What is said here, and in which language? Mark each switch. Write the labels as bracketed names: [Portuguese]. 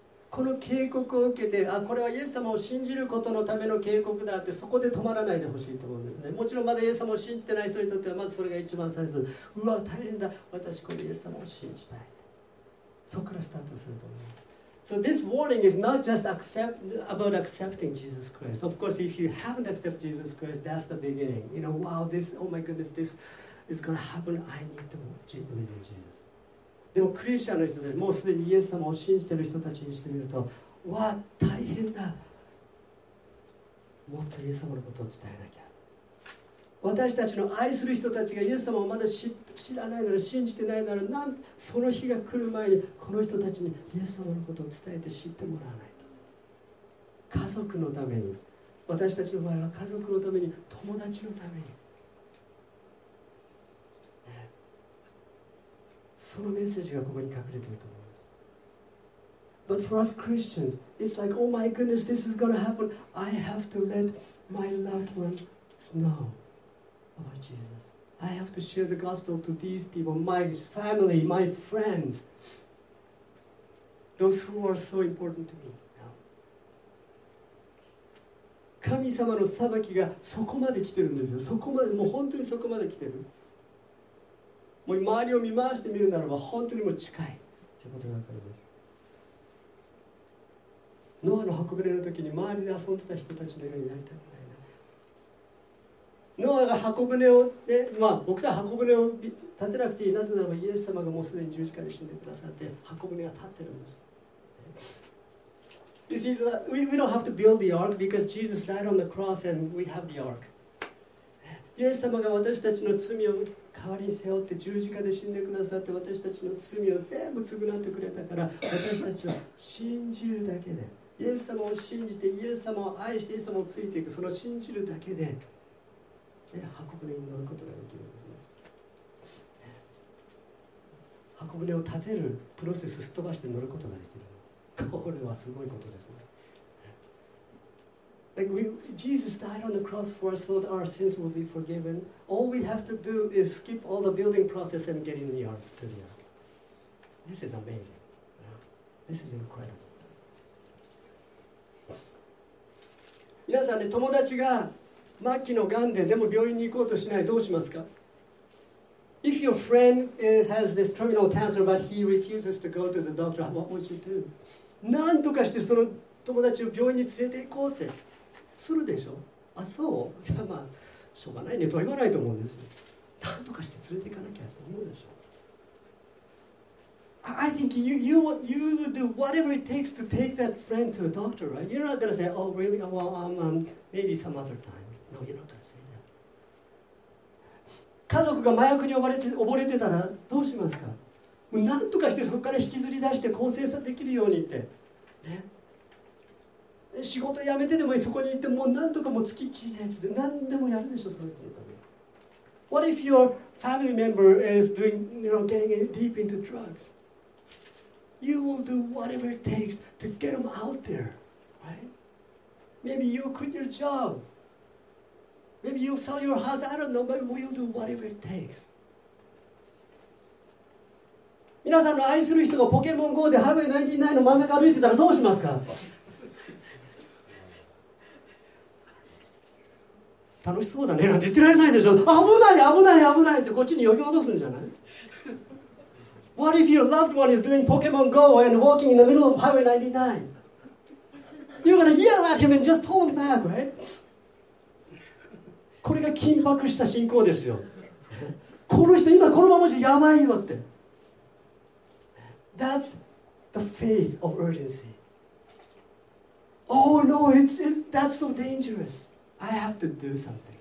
[Japanese] この警告を受けて、あ、これはイエス様を信じることのための警告だって、そこで止まらないでほしいと思うんですね。もちろんまだイエス様を信じてない人にとってはまずそれが一番最初、うわ大変だ、私このイエス様を信じたい、そこからスタートすると思う。 [English] So this warning is not just about accepting Jesus Christ. Of course, if you haven't accepted Jesus Christ, that's the beginning. You know, wow, this, oh my goodness, this is going to happen. I need to believe in Jesus. [Japanese] でもクリスチャンの人たち、もうすでにイエス様を信じている人たちにしてみると、わあ大変だ、もっとイエス様のことを伝えなきゃ、私たちの愛する人たちがイエス様をまだ知らないなら、信じてないなら、なんその日が来る前にこの人たちにイエス様のことを伝えて知ってもらわないと。家族のために、私たちの場合は家族のために、友達のために、そのメッセージがここに隠れていると思います。 [English] But for us Christians, it's like, oh my goodness, this is going to happen. I have to let my loved ones know about Jesus. I have to share the gospel to these people, my family, my friends, those who are so important to me. [Japanese] Now, 神様の裁きがそこまで来てるんですよ。そこまで、もう本当にそこまで来てる。もう周りを見回してみるならば、本当にも近いということが分かります。ノアの箱舟の時に周りで遊んでた人たちのようになりたくないな。ノアが箱舟を、ね、まあ、僕たちは箱舟を立てなくていい。なぜならばイエス様がもうすでに十字架で死んでくださって、箱舟が立ってるんです。 [English] You see, we don't have to build the ark because Jesus died on the cross and we have the ark. [Japanese] イエス様が私たちの罪を代わりに背負って十字架で死んでくださって、私たちの罪を全部償ってくれたから、私たちは信じるだけで、イエス様を信じて、イエス様を愛して、イエス様をついていく、その信じるだけで、ね、箱舟に乗ることができるんですね。箱舟を立てるプロセスをすっ飛ばして乗ることができる。これはすごいことですね。 [English] Like we, Jesus died on the cross for us so that our sins will be forgiven. All we have to do is skip all the building process and get in the ark, to the ark. This is amazing. This is incredible. [Japanese] 皆さんね、友達が末期の癌で、でも病院に行こうとしない、どうしますか？ [English] If your friend has this terminal cancer but he refuses to go to the doctor, what would you do? [Japanese] 何とかしてその友達を病院に連れて行こうってするでしょ。あ、そう。じゃあまあしょうがないねとは言わないと思うんですよ。何とかして連れて行かなきゃと思うでしょ。 [English] I think you would do whatever it takes to take that friend to a doctor, right? You're not going to say, oh, really? Well, maybe some other time. No, you're not going to say that. [Japanese] 家族が麻薬に溺れてたらどうしますか？もう何とかしてそこから引きずり出して更生できるようにって、ね、で仕事辞めてでもそこに行ってもう何とかもう付きっきりでやつで何でもやるでしょ、その人のため。 [English] What if your family member is doing, you know, getting deep into drugs? You will do whatever it takes to get them out there, right? Maybe you'll quit your job. Maybe you'll sell your house, I don't know, but we'll do whatever it takes. [Japanese] 皆さんの愛する人がポケモン GO でハイウェイ99の真ん中歩いてたらどうしますか？楽しそうだねなんて言ってられないでしょ。危ない危ない危ないってこっちに呼び戻すんじゃない？ [English] What if your loved one is doing Pokemon Go and walking in the middle of Highway 99? You're gonna yell at him and just pull him back, right? [Japanese] これが緊迫した信仰ですよ。この人今このままじゃやばいよって。 [English] That's the faith of urgency. Oh no, that's so dangerous. I have to do something.